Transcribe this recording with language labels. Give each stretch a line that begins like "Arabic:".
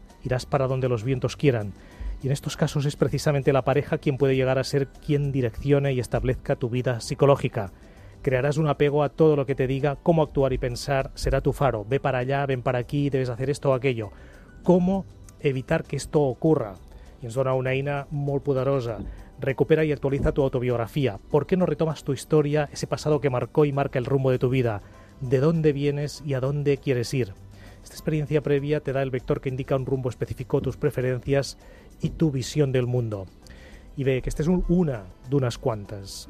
Spanish: Irás para donde los vientos quieran. Y en estos casos es precisamente la pareja quien puede llegar a ser quien direccione y establezca tu vida psicológica. Crearás un apego a todo lo que te diga, cómo actuar y pensar, será tu faro. Ve para allá, ven para aquí, debes hacer esto o aquello. ¿Cómo evitar que esto ocurra?
Catalan: Y ens dona una eina molt poderosa.
Spanish: Recupera y actualiza tu autobiografía. ¿Por qué no retomas tu historia, ese pasado que marcó y marca el rumbo de tu vida? ¿De dónde vienes y a dónde quieres ir? Esta experiencia previa te da el vector que indica un rumbo específico, tus preferencias y tu visión del mundo. Y ve que esta es una de unas cuantas.